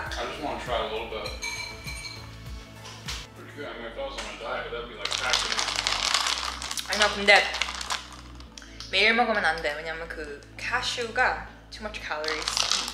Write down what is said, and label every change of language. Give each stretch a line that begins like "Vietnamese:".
English: I just want to try a little bit. Pretty good. I mean, if I was on a diet, that'd be like cashew.
Korean: 아니야, 근데 매일 먹으면 안 돼. 왜냐면 그 cashew가
English: too much calories.